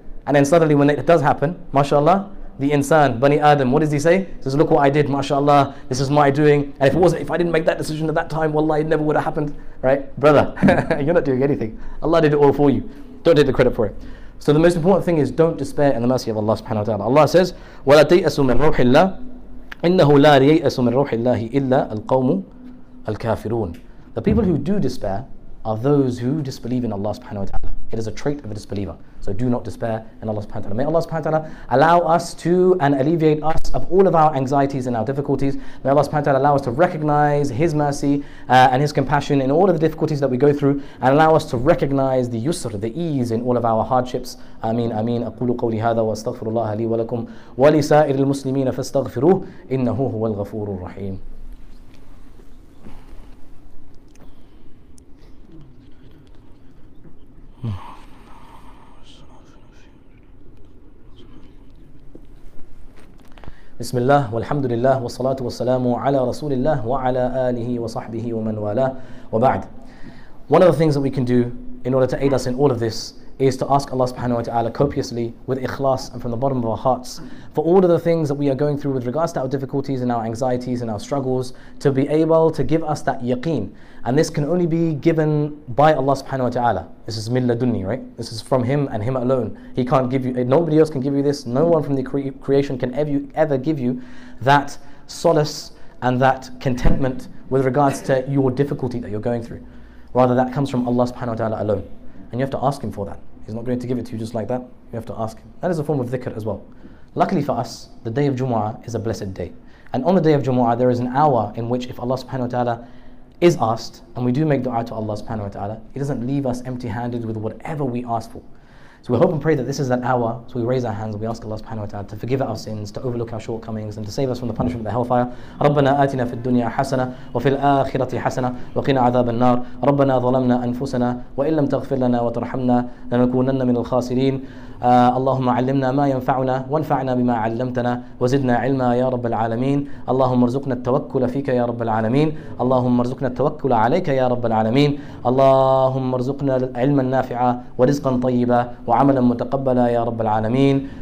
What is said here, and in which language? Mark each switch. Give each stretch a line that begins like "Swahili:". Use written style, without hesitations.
English: And then suddenly when it does happen, mashallah, the insan, Bani Adam, what does he say? He says, look what I did, mashallah, this is my doing. And if it wasn't, if I didn't make that decision at that time, wallah, it never would have happened. Right, brother, you're not doing anything. Allah did it all for you. Don't take the credit for it. So the most important thing is don't despair in the mercy of Allah subhanahu wa ta'ala. Allah says,
Arabic: وَلَا تَيْأَسُ مِنْ رَوْحِ اللَّهِ إِنَّهُ لَا رَيْأَسُ مِنْ رَوْحِ اللَّهِ إِلَّا الْقَوْمُ الْكَافِرُونَ.
English: The people who do despair are those who disbelieve in Allah subhanahu wa ta'ala. It is a trait of a disbeliever. So do not despair in Allah subhanahu wa ta'ala. May Allah subhanahu wa ta'ala allow us to and alleviate us of all of our anxieties and our difficulties. May Allah subhanahu wa ta'ala allow us to recognize His mercy and His compassion in all of the difficulties that we go through, and allow us to recognize the yusr, the ease in all of our hardships.
Arabic: Ameen, ameen. Aqulu qawli hadha wa astaghfirullah li wa lakum wa li sa'iril muslimin fastaghfiruh innahu huwal ghafurur rahim. بسم الله والحمد لله والصلاة والسلام على رسول الله وعلى آله وصحبه ومن والاه وبعد.
English: One of the things that we can do in order to aid us in all of this is to ask Allah subhanahu wa ta'ala copiously with ikhlas and from the bottom of our hearts for all of the things that we are going through with regards to our difficulties and our anxieties and our struggles, to be able to give us that yaqeen. And this can only be given by Allah subhanahu wa ta'ala. This is min ladunni, right? This is from Him and Him alone. He can't give you, nobody else can give you this. No one from the creation can ever give you that solace and that contentment with regards to your difficulty that you're going through. Rather, that comes from Allah subhanahu wa ta'ala alone. And you have to ask Him for that. He's not going to give it to you just like that. You have to ask Him. That is a form of dhikr as well. Luckily for us, the day of Jumu'ah is a blessed day. And on the day of Jumu'ah, there is an hour in which if Allah subhanahu wa ta'ala is asked, and we do make dua to Allah subhanahu wa ta'ala, He doesn't leave us empty-handed with whatever we ask for. So we hope and pray that this is that hour, so we raise our hands and we ask Allah subhanahu wa ta'ala to forgive our sins, to overlook our shortcomings, and to save us from the punishment of the hellfire.
Arabic: رَبَّنَا آتِنَا فِي الدُّنْيَا حَسَنَةً وَفِي الْآخِرَةِ حَسَنَةً وَقِنَا عَذَابَ النَّارِ رَبَّنَا ظَلَمْنَا أَنفُسَنَا وَإِن لَمْ تَغْفِرْ لَنَا وَتَرْحَمْنَا لَنَكُونَنَّ مِنَ الْخَاسِرِينَ اللهم علمنا ما ينفعنا وانفعنا بما علمتنا وزدنا علما يا رب العالمين اللهم ارزقنا التوكل فيك يا رب العالمين اللهم ارزقنا التوكل عليك يا رب العالمين اللهم ارزقنا العلم النافع ورزقا طيبا وعملا متقبلا يا رب العالمين